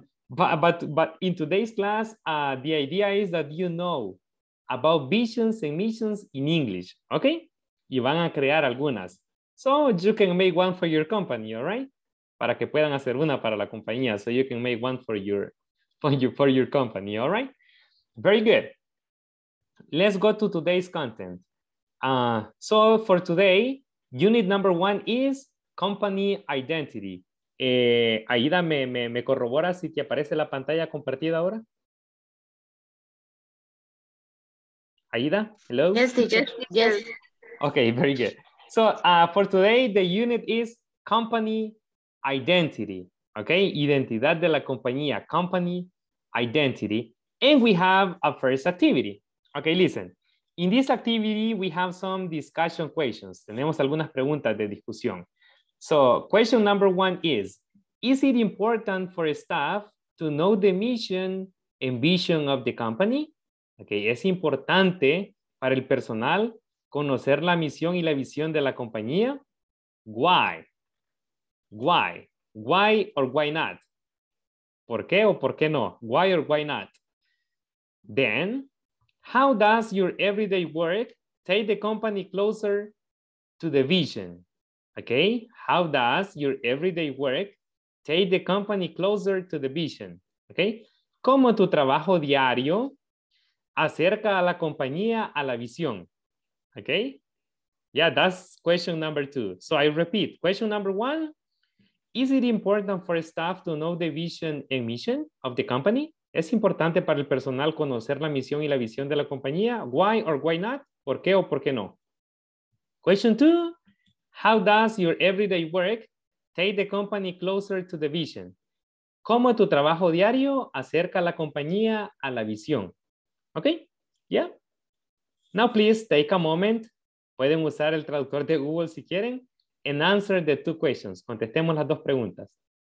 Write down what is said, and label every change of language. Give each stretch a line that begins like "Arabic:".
English: But in today's class, the idea is that you know about visions and missions in English, okay?
Spanish: Y van a crear algunas.
English: So you can make one for your company, all right?
Spanish: Para que puedan hacer una para la compañía.
English: So you can make one for your company, all right? Very good. Let's go to today's content. So for today, unit number one is company identity.
Spanish: Aida, ¿me corrobora si te aparece la pantalla compartida ahora?
English: Aida, hello? Yes, teacher. Yes. Okay, very good. So for today, the unit is company identity.
Spanish: Okay, identidad de la compañía,
English: company identity. And we have a first activity. Okay, listen. In this activity, we have some discussion questions.
Spanish: Tenemos algunas preguntas de discusión.
English: So question number one is it important for staff to know the mission and vision of the company?
Spanish: Okay, ¿es importante para el personal conocer la misión y la visión de la compañía?
English: Why? Why? Why or why not?
Spanish: ¿Por qué o por qué no?
English: Why or why not? Then, how does your everyday work take the company closer to the vision? Okay, how does your everyday work take the company closer to the vision?
Spanish: Okay, ¿cómo tu trabajo diario acerca a la compañía a la visión?
English: Okay, yeah, that's question number two. So I repeat, question number one, is it important for staff to know the vision and mission of the company?
Spanish: ¿Es importante para el personal conocer la misión y la visión de la compañía?
English: Why or why not?
Spanish: ¿Por qué o por qué no?
English: Question two, how does your everyday work take the company closer to the vision?
Spanish: ¿Cómo tu trabajo diario acerca la compañía a la visión? Okay, yeah.
English: Now please take a moment.
Spanish: Pueden usar el traductor de Google si quieren
English: and answer the two questions.
Spanish: Contestemos las dos preguntas.